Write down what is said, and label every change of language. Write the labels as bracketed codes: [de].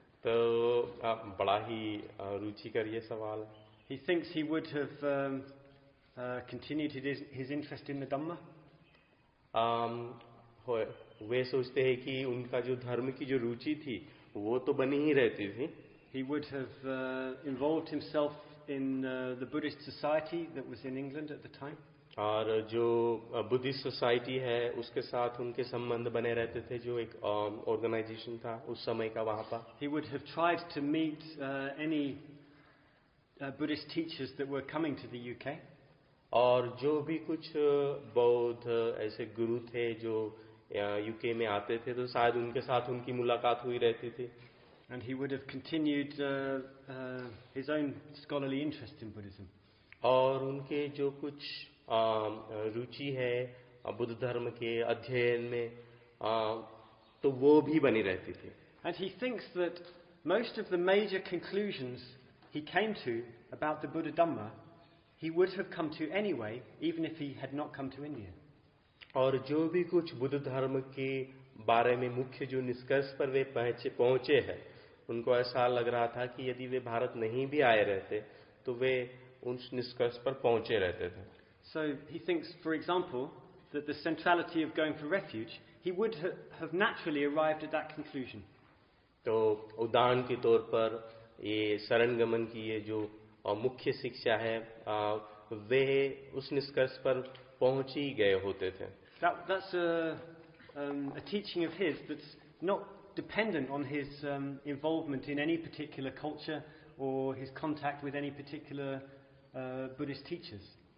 [hi] तो बड़ा ही रुचिकर ये सवाल. [en] He thinks he would have continued his interest in the Dhamma. [hi] वे सोचते हैं कि उनका जो धर्म की जो रुचि थी वो तो बनी ही रहती थी. [en] He would have involved himself in the Buddhist society that was in England at the time. [hi] और जो बुद्धिस्ट सोसाइटी है उसके साथ उनके संबंध बने रहते थे जो एक ऑर्गेनाइजेशन था उस समय का वहां पर. [en] He would have tried to meet any Buddhist teachers that were coming to the UK. [hi] और जो भी कुछ बौद्ध ऐसे गुरु थे जो यूके में आते थे तो शायद उनके साथ उनकी मुलाकात हुई रहती थी. [en] And he would have continued his own scholarly interest in Buddhism. [hi] और उनके जो कुछ रुचि है बुद्ध धर्म के अध्ययन में तो वो भी बनी रहती थी. [en] And he thinks that most of the major conclusions he came to about the Buddha Dhamma he would have come to anyway even if he had not come to India. [hi] और जो भी कुछ बुद्ध धर्म के बारे में मुख्य जो निष्कर्ष पर वे पहुंचे हैं उनको ऐसा लग रहा था कि यदि वे भारत नहीं भी आए रहते तो वे उस निष्कर्ष पर पहुंचे रहते थे. [en] So he thinks, for example, that the centrality of going for refuge, he would have naturally arrived at that conclusion. [hi] तो उदाहरण के तौर पर ये शरणगमन की ये जो मुख्य शिक्षा है वे उस निष्कर्ष पर पहुंच ही गए होते थे. [en] That's a teaching of his that's not dependent on his involvement in any particular culture or his contact with any particular Buddhist teachers.